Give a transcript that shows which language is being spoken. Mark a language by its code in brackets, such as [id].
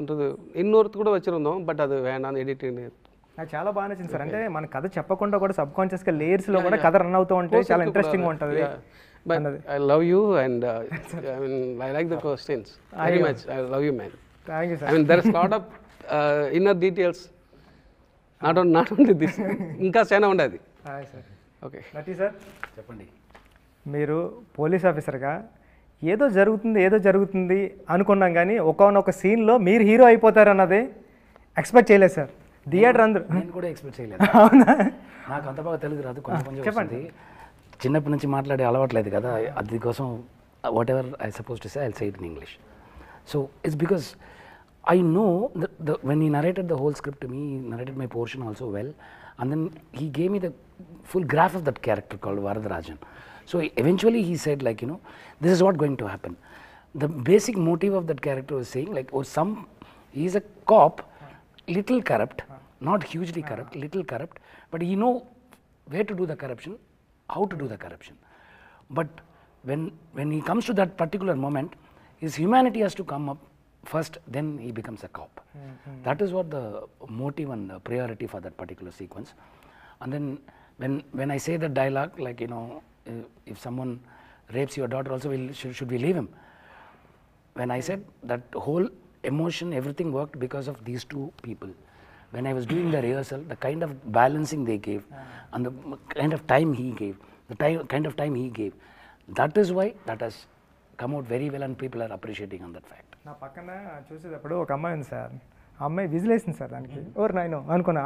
[ta] அதுன்றது இன்னொருத்து கூட வச்சிருந்தோம் பட் அது வேணாம் எடிட்டிங். [te] నాకు చాలా బాగా నచ్చింది సార్, అంటే మన కథ చెప్పకుండా కూడా సబ్ కాన్షియస్గా లేయర్స్లో కూడా కథ రన్ అవుతూ ఉంటే చాలా ఇంట్రెస్టింగ్గా ఉంటుంది. [en] I love you and I mean I like the questions very much, I love you man, thank you sir. I mean there is lot of inner details not only this, [te] ఇంకా సేనా ఉండేది. [en] okay [te] నటి sir చెప్పండి, మీరు police ఆఫీసర్గా ఏదో జరుగుతుంది ఏదో జరుగుతుంది అనుకున్నాం, కానీ ఒకనొక సీన్లో మీరు హీరో అయిపోతారన్నది ఎక్స్పెక్ట్ చేయలేదు సార్, థియేటర్ అందరూ. నేను కూడా ఎక్స్పెక్ట్ చేయలేదు, నాకు అంత బాగా తెలుగు రాదు, కొంచెం చెప్పండి. చిన్నప్పటి నుంచి మాట్లాడే అలవాట్లేదు కదా, అది కోసం [en] Whatever I suppose to say I will say it in English. So it's because I know the when he narrated the whole script me, narrated my portion also well, and then he gave me the full graph of that character called Varadarajan. So eventually he said like, you know, this is what going to happen. The basic motive of that character was saying like, oh, some, he's a cop, little corrupt, not hugely corrupt, little corrupt, but he know where to do the corruption, how to do the corruption. But when he comes to that particular moment, his humanity has to come up first, then he becomes a cop. Mm-hmm. That is what the motive and the priority for that particular sequence. And then when I say the dialogue, like, you know, if someone rapes your daughter also, should we leave him? When I said that whole emotion everything worked because of these two people. When I was doing the rehearsal the kind of balancing they gave and the kind of time he gave the kind of time he gave that is why that has come out very well and people are appreciating on that fact. [te] నా పక్కన చూసేటప్పుడు ఒక అమ్మాయి ఉంది sir, ఆ అమ్మాయి whistle వేసింది sir దానికి ఓర్ నైను అనుకున్నా.